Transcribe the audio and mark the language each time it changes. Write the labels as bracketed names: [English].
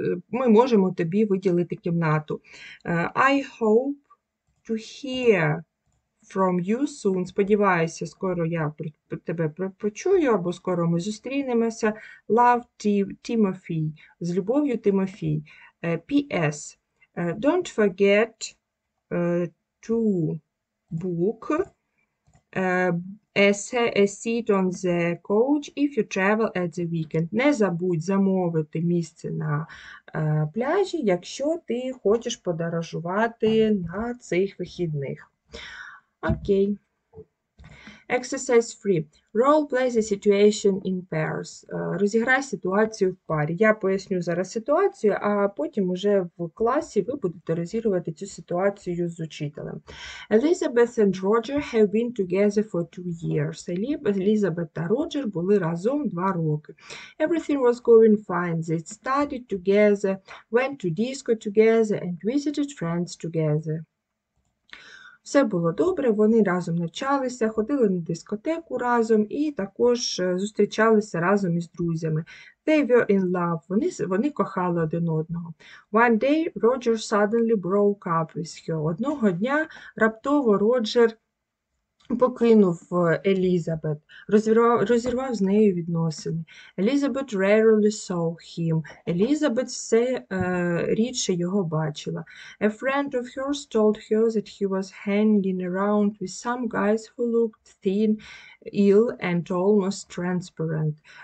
[Ukrainian] ми можемо тобі виділити кімнату. [English] I hope to hear from you soon. [Ukrainian] Сподіваюся, скоро я тебе почую, або скоро ми зустрінемося. [English] Love, Timothy. [Ukrainian] З любов'ю, Тимофій. P.S. [English] Don't forget to book a seat on the coach if you travel at the weekend. [Ukrainian] Не забудь замовити місце на пляжі, якщо ти хочеш подорожувати на цих вихідних. [English] Окей. Exercise 3. Role play the situation in pairs. [Ukrainian] Розіграй ситуацію в парі. Я поясню зараз ситуацію, а потім уже в класі ви будете розігрувати цю ситуацію з учителем. [English] Elizabeth and Roger have been together for 2 years. [Ukrainian] Elizabeth та Роджер були разом 2 роки. [English] Everything was going fine. They studied together, went to disco together and visited friends together. [Ukrainian] Все було добре, вони разом навчалися, ходили на дискотеку разом і також зустрічалися разом із друзями. [English] They were in love. [Ukrainian] Вони кохали один одного. [English] One day Roger suddenly broke up with her. [Ukrainian] Одного дня раптово Роджер покинув Елізабет, розірвав з нею відносини. [English] Елізабет rarely saw him. [Ukrainian] Елізабет все рідше його бачила. [English] A friend of hers told her that he was hanging around with some guys who looked thin, ill and almost transparent.